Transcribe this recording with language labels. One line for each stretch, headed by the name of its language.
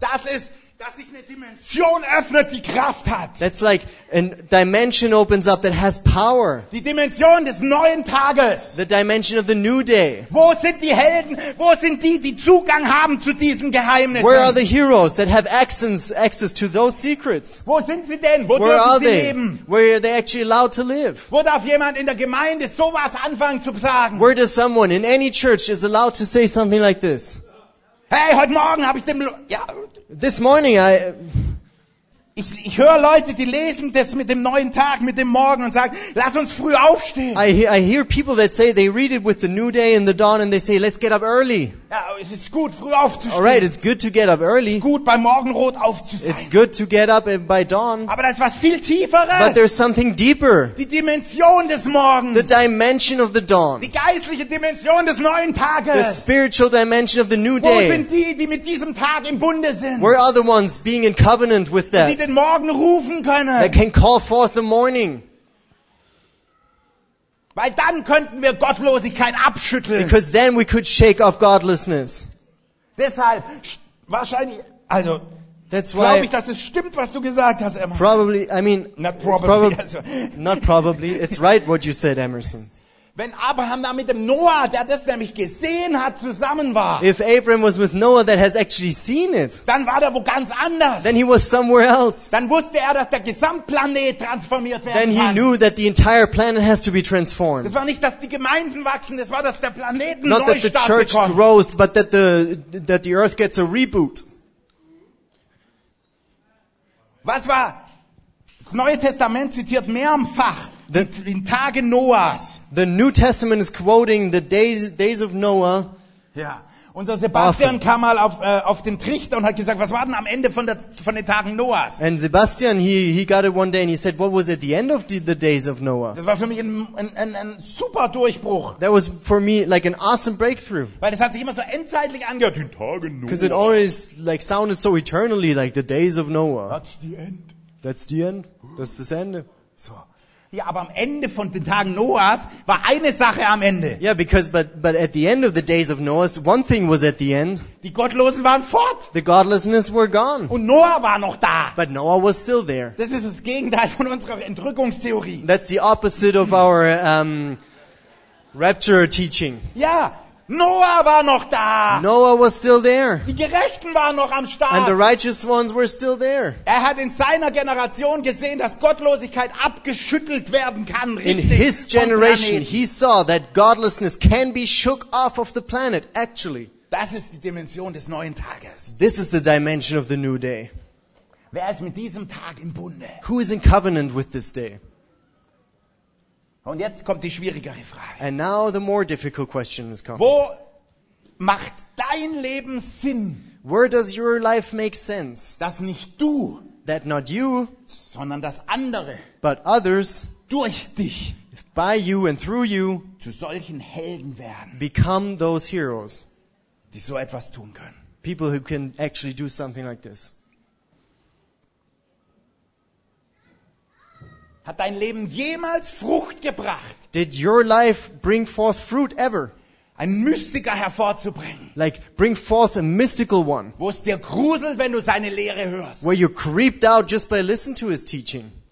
German: Das ist, dass sich eine Dimension öffnet, die Kraft hat.
English: That's like a dimension opens up that has power.
German: Die Dimension des neuen Tages.
English: The dimension of the new day.
German: Wo sind die Helden? Wo sind die, die Zugang haben zu diesen Geheimnissen?
English: Where are the heroes that have access to those secrets?
German: Wo sind sie denn? Wo Where dürfen sie
English: they?
German: Leben?
English: Where are they actually allowed to live?
German: Wo darf jemand in der Gemeinde sowas anfangen zu sagen?
English: Where does someone in any church is allowed to say something like this?
German: Hey, heute Morgen habe ich dem
English: This morning
German: ich höre Leute, die lesen das mit dem neuen Tag, mit dem Morgen und sagen, lass uns früh aufstehen.
English: I hear people that say they read it with the new day and the dawn and they say, let's get up early.
German: Ja, es ist gut, früh aufzustehen.
English: All right, it's good to get up early.
German: Es ist gut, bei Morgenrot aufzustehen.
English: It's good to get up by dawn.
German: Aber da ist was viel Tieferes.
English: But there's something deeper.
German: Die Dimension des Morgens.
English: The dimension of the dawn.
German: Die geistliche Dimension des neuen Tages.
English: The spiritual dimension of the new day.
German: Wo sind die, die mit diesem Tag im Bunde sind?
English: Where are the ones being in covenant with that?
German: Den Morgen rufen können.
English: They can call forth the morning.
German: Weil dann könnten wir Gottlosigkeit abschütteln.
English: Because then we could shake off godlessness.
German: Deshalb wahrscheinlich, also glaube ich, dass es stimmt, was du gesagt hast, Emerson.
English: Probably, I mean, not probably. It's right what you said, Emerson.
German: Wenn Abraham da mit dem Noah, der das nämlich gesehen hat, zusammen war.
English: If Abraham was with Noah that has actually seen it.
German: Dann war der wo ganz anders.
English: Then he was somewhere else.
German: Dann wusste er, dass der Gesamtplanet transformiert werden kann.
English: he knew that the entire planet has to be transformed.
German: Es war nicht, dass die Gemeinden wachsen, es war, dass der Planeten neu
English: bekommt. Not that the church grows, but that the earth gets a reboot.
German: Was war? Das Neue Testament zitiert mehrfach den Tage Noahs.
English: The New Testament is quoting the days of Noah.
German: Ja, unser Sebastian often. Kam mal auf den Trichter und hat gesagt, was war denn am Ende von den Tagen Noahs?
English: And Sebastian, he got it one day and he said, what was at the end of the days of Noah?
German: Das war für mich ein super Durchbruch.
English: That was for me like an awesome breakthrough.
German: Weil das hat sich immer so endzeitlich angehört, den Tagen Noahs.
English: Because it always like sounded so eternally like the days of Noah. That's the end. That's the end.
German: Das ist das Ende.
English: So.
German: Ja, aber am Ende von den Tagen Noahs war eine Sache am Ende.
English: Yeah, because but at the end of the days of Noahs, one thing was at the end.
German: Die Gottlosen waren fort.
English: The godlessness were gone.
German: Und Noah war noch da.
English: But Noah was still there.
German: Das ist das Gegenteil von unserer Entrückungstheorie.
English: That's the opposite of our rapture teaching.
German: Ja. Noah war noch da.
English: Noah was still there.
German: Die Gerechten waren noch am Start.
English: And the righteous ones were still there.
German: Er hat in seiner Generation gesehen, dass Gottlosigkeit abgeschüttelt werden kann, richtig?
English: In his generation he saw that godlessness can be shook off of the planet, actually.
German: Das ist die Dimension des neuen Tages.
English: This is the dimension of the new day.
German: Wer ist mit diesem Tag im Bunde?
English: Who is in covenant with this day?
German: Und jetzt kommt die schwierigere Frage.
English: And now the more difficult question is coming.
German: Wo macht dein Leben Sinn?
English: Where does your life make sense?
German: Dass nicht du,
English: that not you,
German: sondern das andere,
English: but others,
German: durch dich,
English: by you and through you,
German: zu solchen Helden werden,
English: become those heroes,
German: die so etwas tun können.
English: People who can actually do something like this.
German: Hat dein Leben jemals Frucht gebracht?
English: Did your life bring forth fruit ever?
German: Ein Mystiker hervorzubringen.
English: Like bring forth a mystical one.
German: Wo es dir gruselt, wenn du seine Lehre hörst.
English: Where you creeped out just by listening to his teaching.